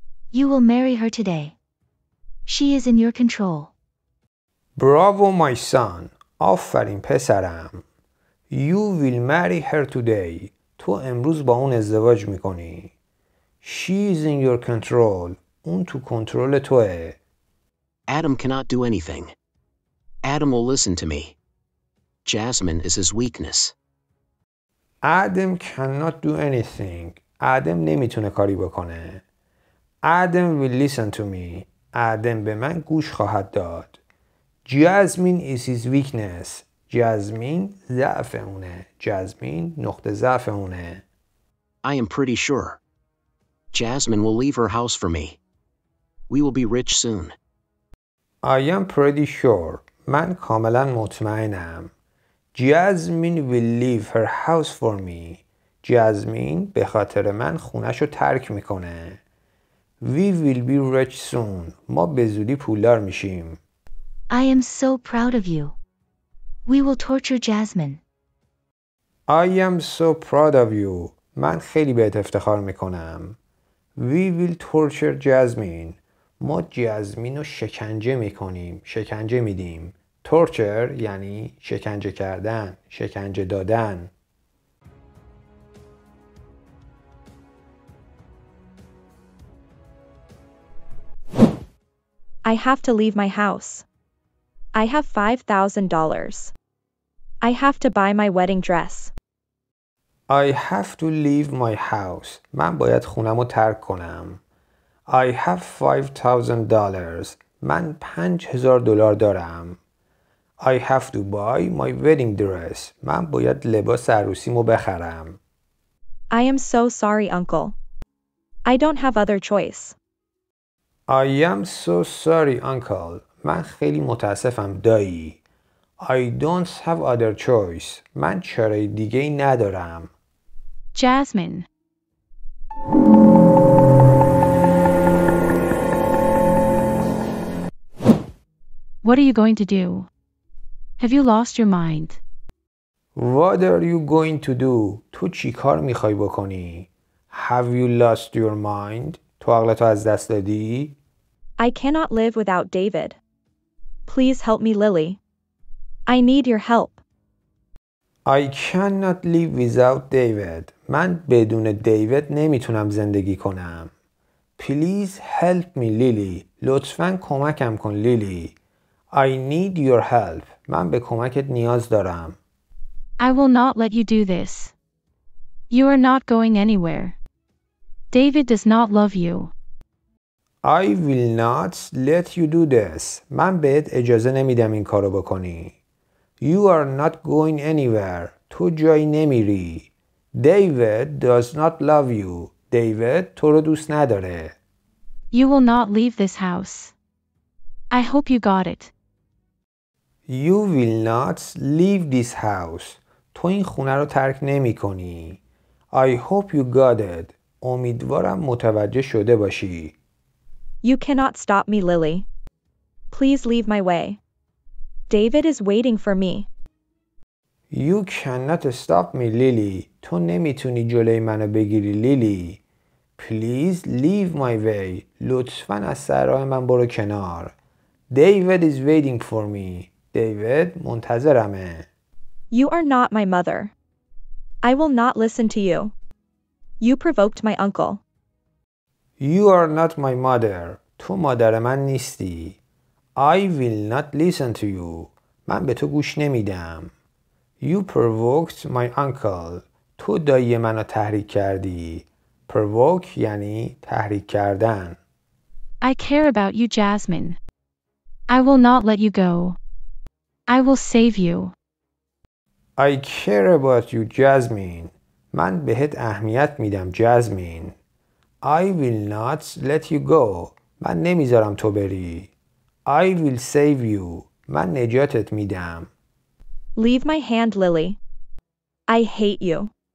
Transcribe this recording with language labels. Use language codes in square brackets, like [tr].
[en] You will marry her today. She is in your control. Bravo, my son. [fa] آفرین پسرم. [en] You will marry her today. [fa] تو امروز با اون ازدواج میکنی. [en] She is in your control. [fa] اون تو کنترل توه. [en] Adam cannot do anything. Adam will listen to me. Jasmine is his weakness. Adam cannot do anything. [fa] Adam نمیتونه کاری بکنه. [en] Adam will listen to me. [fa] Adam به من گوش خواهد داد. [en] Jasmine is his weakness. [fa] Jasmine ضعف اونه. Jasmine نقطه ضعف اونه. [en] I am pretty sure. Jasmine will leave her house for me. We will be rich soon. I am pretty sure. [fa] من کاملا مطمئنم. [en] Jasmine will leave her house for me. [fa] Jasmine به خاطر من خونش رو ترک میکنه. [en] We will be rich soon. [fa] ما به زودی پولدار میشیم. [en] I am so proud of you. We will torture Jasmine. I am so proud of you. [fa] من خیلی بهت افتخار میکنم. [en] We will torture Jasmine. [fa] ما جزمین رو شکنجه میکنیم. شکنجه میدیم. تورچر یعنی شکنجه کردن، شکنجه دادن. [en] I have to leave my house. I have $5,000. I have to buy my wedding dress. I have to leave my house. [fa] من باید خونم رو ترک کنم. [en] I have $5,000. [fa] من $5,000 دارم. [en] I have to buy my wedding dress. [fa] من باید لباس عروسیمو بخرم. [en] I am so sorry, uncle. I don't have other choice. I am so sorry, uncle. [fa] من خیلی متاسفم دایی. [en] I don't have other choice. [fa] من چاره دیگه‌ای ندارم. [en] Jasmine. What are you going to do? Have you lost your mind? What are you going to do? [fa] تو چی کار میخوای بکنی؟ [en] Have you lost your mind? [fa] تو عقلتو از دست دادی؟ [en] I cannot live without David. Please help me, Lily. I need your help. I cannot live without David. [fa] من بدون دیوید نمیتونم زندگی کنم. [en] Please help me, Lily. [fa] لطفاً کمکم کن, Lily. [en] I need your help. [fa] من به کمکت نیاز دارم. [en] I will not let you do this. You are not going anywhere. David does not love you. I will not let you do this. [fa] من بهت اجازه نمیدم این کارو بکنی. [en] You are not going anywhere. [fa] تو جایی نمیری. [en] David does not love you. [fa] David تو رو دوست نداره. [en] You will not leave this house. I hope you got it. You will not leave this house. [fa] تو این خونه رو ترک نمی کنی. [en] I hope you got it. [fa] امیدوارم متوجه شده باشی. [en] You cannot stop me, Lily. Please leave my way. David is waiting for me. You cannot stop me, Lily. [fa] تو نمیتونی جلوی منو بگیری, Lily. [en] Please leave my way. [fa] لطفاً از سر راه من برو کنار. [en] David is waiting for me. [fa] David منتظرمه. [en] You are not my mother. I will not listen to you. You provoked my uncle. You are not my mother. [fa] تو مادر من نیستی. [en] I will not listen to you. [fa] من به تو گوش نمیدم. [en] You provoked my uncle. [fa] تو دایی منو تحریک کردی. Provoke یعنی تحریک کردن. [en] I care about you, Jasmine. I will not let you go. I will save you. I care about you, Jasmine. [fa] من بهت اهمیت میدم, Jasmine. [en] I will not let you go. [fa] من نمیذارم تو بری. [en] I will save you. [fa] من نجاتت میدم. [en] Leave my hand, Lily. I hate you.